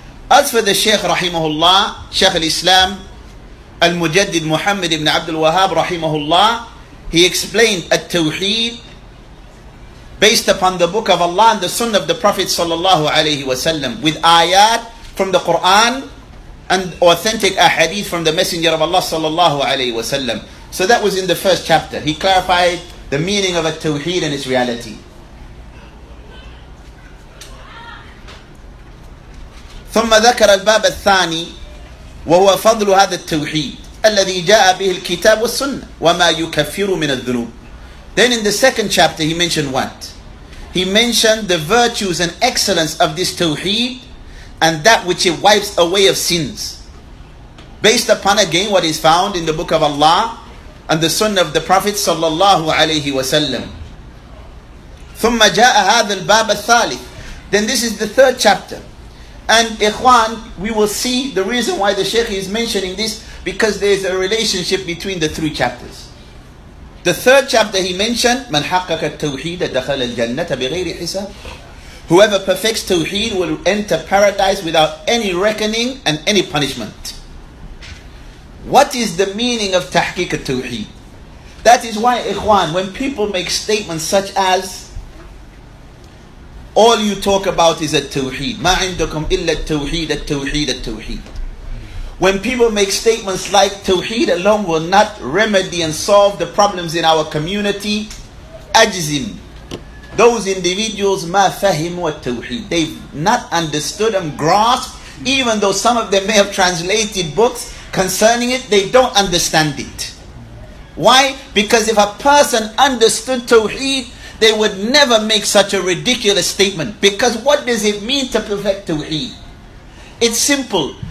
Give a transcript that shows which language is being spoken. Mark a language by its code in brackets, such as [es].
[en] As for the Shaykh Rahimahullah, Shaykh al-Islam al-Mujaddid Muhammad ibn Abdul Wahhab Rahimahullah, he explained At-Tawheed based upon the book of Allah and the sunnah of the Prophet sallallahu alayhi wa sallam, with ayat from the Qur'an and authentic ahadith from the Messenger of Allah sallallahu alayhi wa sallam. So that was in the first chapter. He clarified the meaning of a tawheed and its reality. [ar] ثم ذكر الباب الثاني وهو فضل هذا التوحيد الذي جاء به الكتاب والسنة وما يكفر من الذنوب. [en] Then in the second chapter he mentioned what? He mentioned the virtues and excellence of this tawheed and that which it wipes away of sins. Based upon again what is found in the book of Allah and the sunnah of the Prophet sallallahu alayhi wa sallam. [ar] ثم جاء هذا الباب الثالث. [en] Then this is the third chapter. And Ikhwan, we will see the reason why the Shaykh is mentioning this, because there is a relationship between the three chapters. The third chapter he mentioned, [ar] مَنْ حَقَّكَ التَّوْحِيدَ دَخَلَ الْجَنَّةَ بِغَيْرِ حِسَابٍ. [en] Whoever perfects Tawheed will enter paradise without any reckoning and any punishment. What is the meaning of [ar] تحقيق التوحيد? [en] That is why Ikhwan, when people make statements such as, all you talk about is at-tawheed. [ar] مَا عِنْدَكُمْ إِلَّا التَّوْحِيدَ التَّوْحِيدَ التَّوْحِيدَ. [en] When people make statements like Tawheed alone will not remedy and solve the problems in our community, أَجْزِمْ. Those individuals, [ar] مَا فَهِمُوا التَّوْحِيدَ. [en] They've not understood and grasped, even though some of them may have translated books concerning it, they don't understand it. Why? Because if a person understood Tawheed, they would never make such a ridiculous statement. Because what does it mean to perfect Tawheed? It's simple.